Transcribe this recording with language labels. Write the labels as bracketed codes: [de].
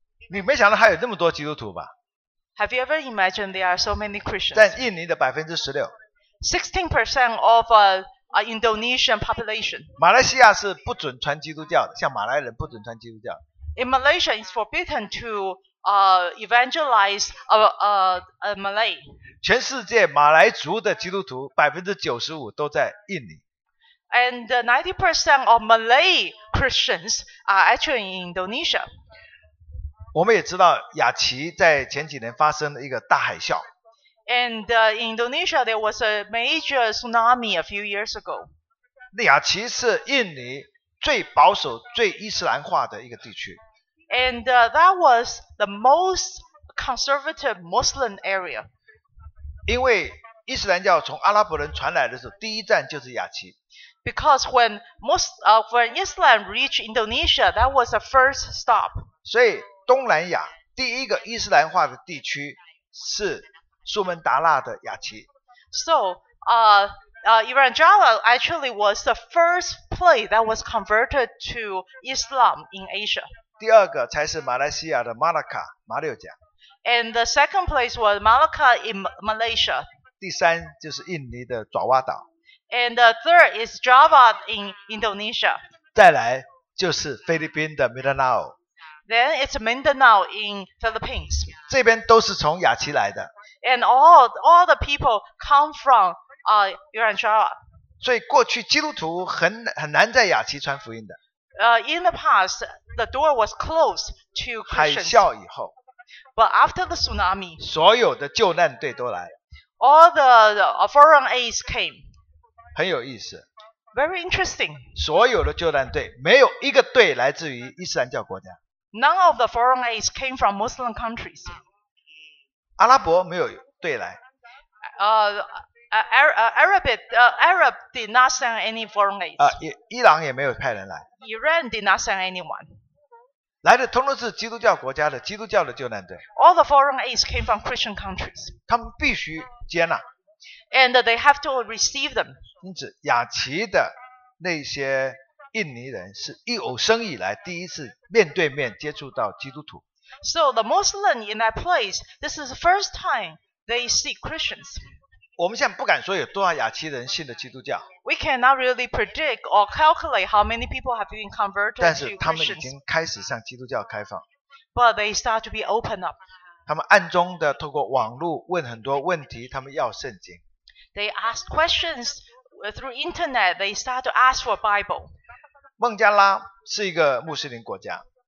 [zh] 你没想到它有这么多基督徒吧？ [en] Have you ever imagined there are so many Christians? [zh] 占印尼的 16%. [en] 16% of Indonesian population. [zh] 马来西亚是不准传基督教的，像马来人不准传基督教。 [en] In Malaysia, it's forbidden to evangelize a Malay. [zh] 全世界马来族的基督徒 95% 都在印尼。 [en] And 90% of Malay Christians are actually in Indonesia. [zh] 我们也知道雅琪在前几年发生了一个大海啸。 [en] And in Indonesia, there was a major tsunami a few years ago. [zh] 雅琪是印尼最保守、最伊斯兰化的一个地区。 [en] And that was the most conservative Muslim area. [zh] 因为伊斯兰教从阿拉伯人传来的时候，第一站就是雅琪。 [en] Because when Islam reached Indonesia, that was the first stop. [zh] 所以东南亚第一个伊斯兰化的地区是苏门答腊的雅琪。 [en] So, Iran Java actually was the first place that was converted to Islam in Asia. [zh] 第二个才是马来西亚的马拉卡，马六甲。 [en] And the second place was Malacca in Malaysia. [zh] 第三就是印尼的爪哇岛。 [en] And the third is Java in Indonesia. [zh] 再来就是菲律宾的 Mindanao。 [en] Then it's Mindanao in Philippines. [zh] 这边都是从雅琪来的。 [en] And all the people come from Iran Java. [zh] 所以过去基督徒很难在雅琪传福音的。 [en] In the past, the door was closed to Christians. [zh] 海啸以后。 [en] But after the tsunami, [zh] 所有的救难队都来。 [en] All the foreign aids came. [zh] 很有意思。 [en] Very interesting. [zh] 所有的救难队，没有一个队来自于伊斯兰教国家。 [en] None of the foreign aids came from Muslim countries. [zh] 阿拉伯没有队来。 [en] Arab did not send any foreign aids. [zh] 伊朗也没有派人来。 [en] Iran did not send anyone. [zh] 来的通通是基督教国家的基督教的救难队。 [en] All the foreign aids came from Christian countries. [zh] 他们必须接纳。 [en] And they have to receive them. [zh] 因此，雅琪的那些印尼人是一有生以来第一次面对面接触到基督徒。 [en] So the Muslim in that place, this is the first time they see Christians. [zh] 我们现在不敢说有多少雅琪人信了基督教。 [en] We cannot really predict or calculate how many people have been converted to Christians. [zh] 但是他们已经开始向基督教开放。 [en] But they start to be open up. [zh] 他们暗中的透过网络问很多问题，他们要圣经。 [en] They ask questions through internet. They start to ask for Bible. [zh] 孟加拉是一个穆斯林国家。